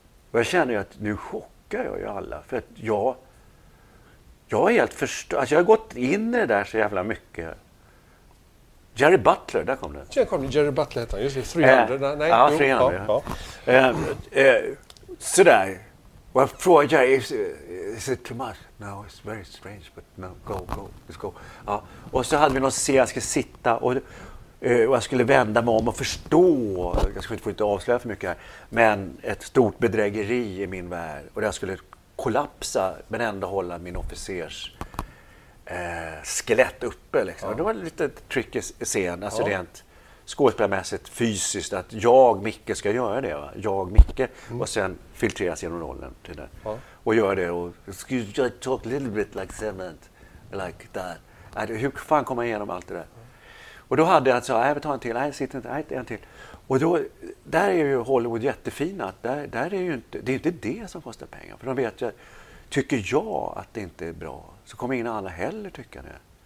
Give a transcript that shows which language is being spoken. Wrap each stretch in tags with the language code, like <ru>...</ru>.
<sv>Och jag känner ju att nu chockar jag ju alla, för att jag är helt förstörd. Alltså jag har gått in i det där så jävla mycket. Jerry Butler, där kom det. Jerry Butler heter han, just det. 300. Nej, 300. Ja. Sådär. Och jag frågar Jerry,</sv> <en>is it too much? No, it's very strange, but no, go, let's go.</en> <sv>Ja. Och så hade vi någon scen, jag ska sitta och jag skulle vända mig om och förstå. Jag ska inte få avslöja för mycket här. Men ett stort bedrägeri i min värld. Och där skulle kollapsa, men ändå hålla min officers skelett uppe. Liksom. Ja. Det var en lite tricky scen, alltså rent skådespelarmässigt, fysiskt, att jag, Micke, ska göra det. Va? Jag, Micke, och sen filtreras genom rollen till det. Ja. Och gör det. Och</sv> <en>you talk a little bit like cement, like that.</en> <sv>Hur fan kommer jag igenom allt det där? Ja. Och då hade jag att säga, vi tar en till, en till. Och då, där är ju Hollywood jättefina, att där är ju inte, det är inte det som kostar pengar. För de vet ju, tycker jag att det inte är bra, så kommer ingen alla heller tycka det.</sv>